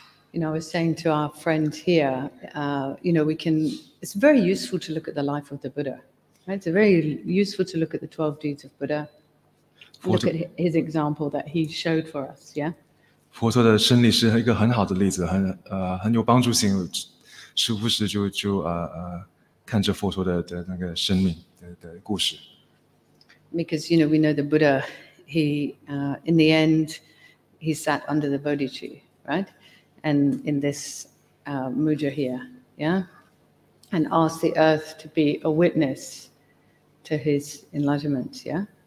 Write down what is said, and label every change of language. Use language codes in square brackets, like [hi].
[en] You know, I was saying to our friend here, you know, we can. It's very useful to look at the life of the Buddha. Right? It's very useful to look at the 12 deeds of Buddha. Look at his example that he showed for us. Yeah. [zh] 佛陀的生历是一个很好的例子，很有帮助性。时不时就看着佛陀的那个生命的故事。 [en] Because you know, we know the Buddha. He, in the end, he sat under the Bodhi tree, right? And in this mudra here, yeah? And ask the earth to be a witness to his enlightenment, yeah?